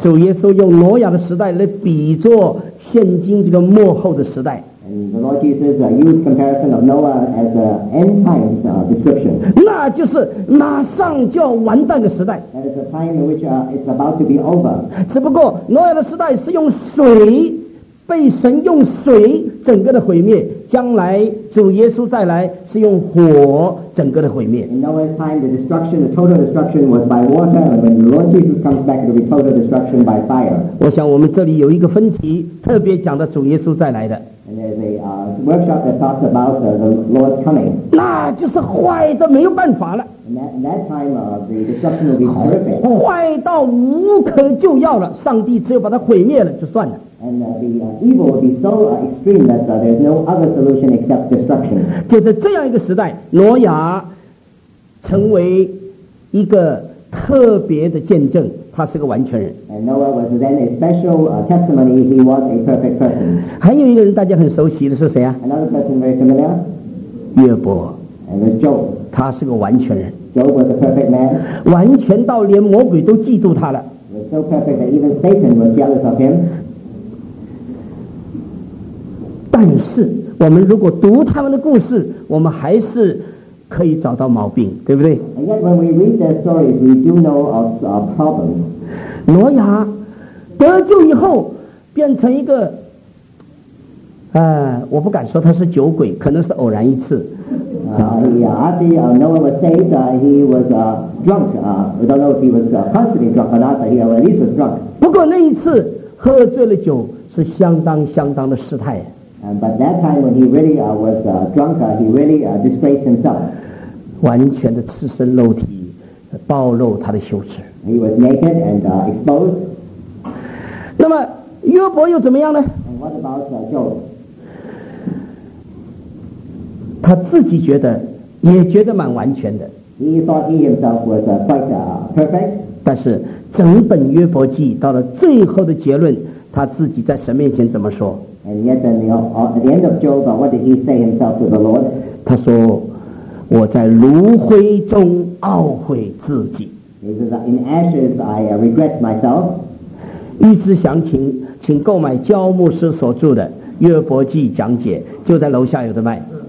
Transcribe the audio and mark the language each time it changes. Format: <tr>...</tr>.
<zh>主耶稣用挪亚的时代来比作现今这个末后的时代。</zh> <en>And the Lord Jesus used comparison of Noah as the end times description.</en> <zh>那就是马上就要完蛋的时代。</zh> <en>That is the time in which it's about to be over.</en> <zh>只不过挪亚的时代是用水，被神用水整个的毁灭，将来主耶稣再来是用火整个的毁灭。</zh> <en>In Noah's time, the destruction, the total destruction was by water, and when the Lord Jesus comes back, it'll be total destruction by fire.</en> <zh>我想我们这里有一个分题，特别讲到主耶稣再来的。</zh> <en>There's a workshop that talks about the Lord's coming.</en> <zh>那就是坏的没有办法了。</zh> <en>That time, the destruction will be horrific.</en> <zh>坏到无可救药了，上帝只有把它毁灭了就算了。</zh> <en>And the evil will be so extreme that there's no other solution except destruction.</en> <zh>就在这样一个时代，挪亚成为一个特别的见证，他是个完全人。</zh> <en>And Noah was then a special testimony. He was a perfect person.</en> <zh>还有一个人大家很熟悉的是谁啊？</zh> <en>Another person very familiar.</en> <zh>约伯。</zh> <en>And it's Job.</en> <zh>他是个完全人。</zh> <en>Job was a perfect man.</en> <zh>完全到连魔鬼都嫉妒他了。</zh> <en>Was so perfect that even Satan was jealous of him.</en> <zh>但是我们如果读他们的故事，我们还是可以找到毛病，对不对？</zh> <en>And yet when we read their stories, we do know of our problems.</en> <zh>挪亚得救以后变成一个我不敢说他是酒鬼，可能是偶然一次。</zh> <en>Noah was saved, he was drunk. We don't know if he was constantly drunk or not, but he at least was drunk.</en> <zh>不过那一次喝醉了酒是相当相当的失态。</zh> <en>But that time when he really was drunk, he really disgraced himself.</en> <zh>完全的赤身肉体，暴露他的羞耻。</zh> <en>He was naked and exposed.</en> <zh>那么约伯又怎么样呢？</zh> <en>And what about Job?</en> <zh>他自己觉得也觉得蛮完全的。</zh> <en>He thought he himself was quite perfect.</en> <zh>但是整本约伯记到了最后的结论，他自己在神面前怎么说？</zh> <en>And yet at the end of Job, what did he say himself to the Lord?</en> <zh>他说，我在炉灰中懊悔自己。</zh> <en>He says, in ashes I regret myself.</en> <zh>欲知详情，请购买焦牧师所著的约伯记讲解，就在楼下有的卖。</zh>